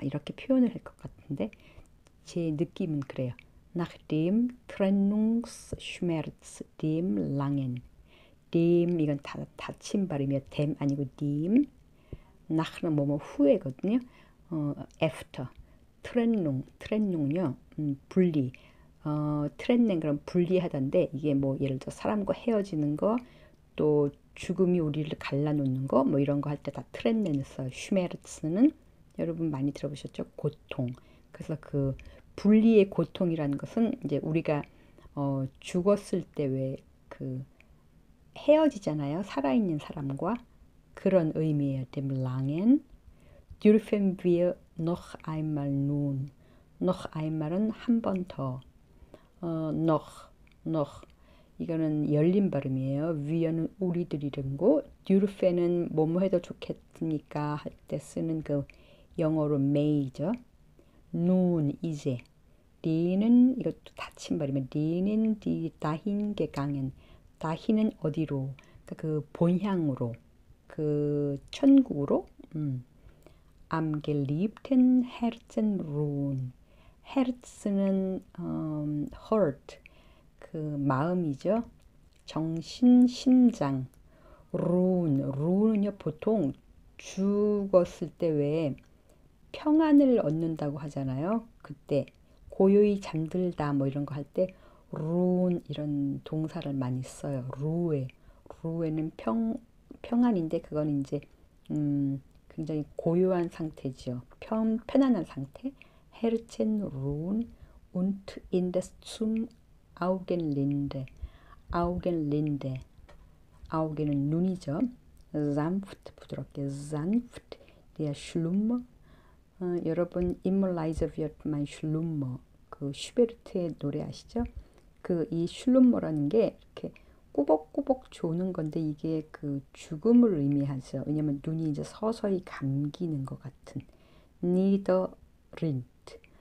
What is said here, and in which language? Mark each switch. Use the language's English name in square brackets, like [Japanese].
[Korean] 이렇게 표현을 할것 같은데 제 느낌은 그래요. [German] Nach dem Trennungsschmerz, dem Langen. [Korean] dem 이건 다 닫힌 발음이에요. dem 아니고 dem. nach는 뭐뭐 후회거든요. after. trennung요. 분리. trennen 그럼 분리하다인데 이게 뭐 예를 들어 사람과 헤어지는 거또 죽음이 우리를 갈라놓는 거뭐 이런 거할때다 trennen 써요. schmerz는 여러분 많이 들어보셨죠? 고통. 그래서 그 분리의 고통이라는 것은 이제 우리가 죽었을 때왜그 헤어지잖아요. 살아있는 사람과 그런 의미예요. [German] Dem Langen dürfen wir noch einmal nun. [Korean] noch einmal은 한번 더. noch 이거는 열린 발음이에요. wir는 우리들 이름고 dürfen은 뭐뭐 해도 좋겠습니까 할때 쓰는 그 영어로 may죠. nun 이제. denen 이것도 닫힌 발음이에요. [German] denen die dahin gegangen. [Korean] 다희는 어디로? 그 본향으로, 그 천국으로. [German] Am geliebten Herzen ruhen. [Korean] Herz는 heart, 그 마음이죠. 정신, 심장. ruhen은요 보통 죽었을 때왜 평안을 얻는다고 하잖아요. 그때 고요히 잠들다 뭐 이런 거할 때. ruhen 이런 동사를 많이 써요. ruhe는 평안인데 그건 이제 굉장히 고요한 상태지요. 편안한 상태. [German] herzen ruhen und in das zum augenlinde. [Korean] augenlinde. augen은 눈이죠. sanft 부드럽게 [German] sanft der schlummer [Korean] 여러분 [English] In Lies of My Schlummer [Korean] 그 슈베르트의 노래 아시죠? 그이 슐루머라는 게 이렇게 꾸벅꾸벅 조는 건데 이게 그 죽음을 의미하죠. 왜냐면 눈이 이제 서서히 감기는 것 같은. [German] Nieder rinnt.